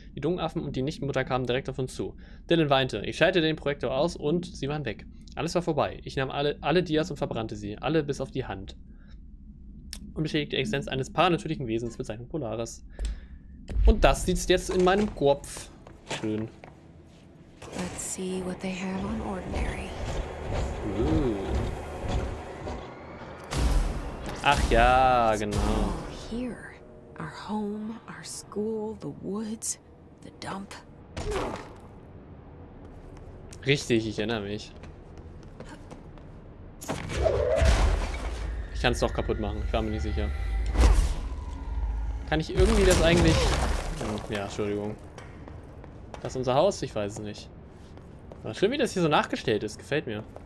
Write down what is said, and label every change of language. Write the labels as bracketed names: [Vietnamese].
[German] Die Dungaffen und die Nichtmutter kamen direkt auf uns zu. Dylan weinte. Ich schaltete den Projektor aus und sie waren weg. Alles war vorbei. Ich nahm alle Dias und verbrannte sie. Alle bis auf die Hand. Und bestätigte die Existenz eines paranatürlichen Wesens mit seinem Polaris. Und das sitzt jetzt in meinem Kopf. Schön. [English] Let's see what they have on Ordinary. [German] Ooh. Ach ja, genau. [English] It's all here. Our home, our school, the woods, the dump. [German] Richtig, ich erinnere mich. Ich kann es doch kaputt machen, ich war mir nicht sicher. Kann ich irgendwie das eigentlich... Ja, Entschuldigung. Das ist unser Haus, ich weiß es nicht. Schön, wie das hier so nachgestellt ist. Gefällt mir.